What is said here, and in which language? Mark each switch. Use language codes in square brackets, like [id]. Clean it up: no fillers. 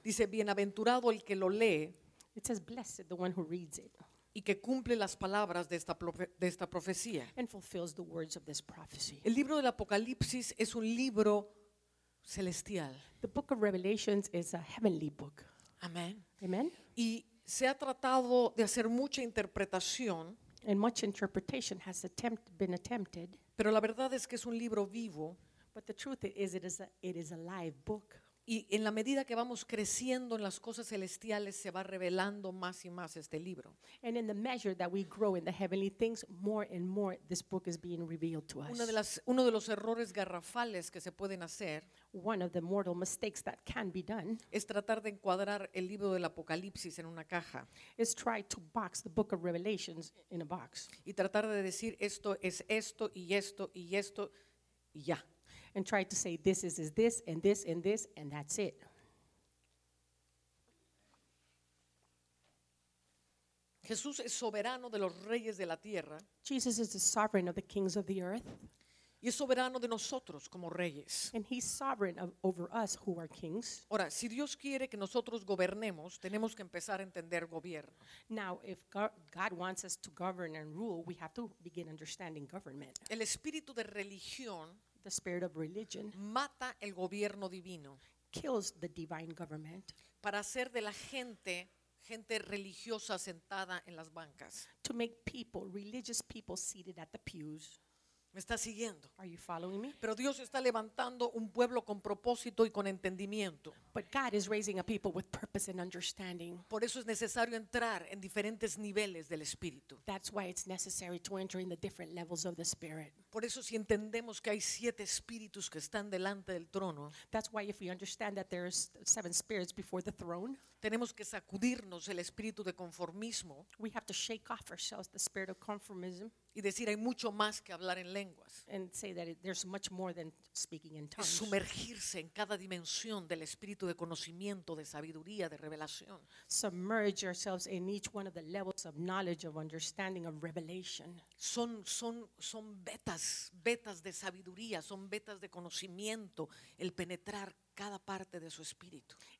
[es] Dice, bienaventurado el que lo lee. [en] It says, blessed the one who reads it. [es] Y que cumple las palabras de esta profecía. [en] And fulfills the words of this prophecy. [es] El libro del Apocalipsis es un libro celestial. [en] The book of Revelations is a heavenly book. [es] Amen. [en] Amen. [es] Y se ha tratado de hacer mucha interpretación. [en] And much interpretation has been attempted. [es] Pero la verdad es que es un libro vivo. [en] But the truth is, it is a live book. [es] Y en la medida que vamos creciendo en las cosas celestiales, se va revelando más y más este libro. [en] And in the measure that we grow in the heavenly things, more and more this book is being revealed to us. [es] Uno de los errores garrafales que se pueden hacer, [en] one of the mortal mistakes that can be done, [es] es tratar de encuadrar el libro del Apocalipsis en una caja. [en] Is try to box the book of Revelations in a box. [es] Y tratar de decir esto es esto y esto y esto y ya. [en] And try to say this is this and this and this and that's it. [es] Jesús es soberano de los reyes de la tierra. [en] Jesus is the sovereign of the kings of the earth. [es] Y es soberano de nosotros como reyes. [en] And he's sovereign over us who are kings. [es] Ahora, si Dios quiere que nosotros gobernemos, tenemos que empezar a entender gobierno. [en] Now, if God wants us to govern and rule, we have to begin understanding government. [es] El espíritu de religión, [en] the spirit of religion, [es] mata el gobierno divino, [en] kills the divine government, [es] para hacer de la gente, gente religiosa sentada en las bancas, [en] to make people, religious people seated at the pews. [es] ¿Me está siguiendo? [en] Are you following me? [es] Pero Dios está levantando un pueblo con propósito y con entendimiento. [en] But God is raising a people with purpose and understanding. [es] Por eso es necesario entrar en diferentes niveles del Espíritu. [en] That's why it's necessary to enter in the different levels of the Spirit. [es] Por eso si entendemos que hay siete espíritus que están delante del trono. [en] That's why if we understand that there are seven spirits before the throne. [es] Tenemos que sacudirnos el espíritu de conformismo. [en] We have to shake off ourselves the spirit of conformism. [es] Y decir hay mucho más que hablar en lenguas. [en] And say that there's much more than speaking in tongues. [es] Es sumergirse en cada dimensión del espíritu de conocimiento, de sabiduría, de revelación. [en] Submerge yourselves in each one of the levels of knowledge, of understanding, of revelation. [es] Son betas de sabiduría, son betas de conocimiento, el penetrar cada parte de su espíritu.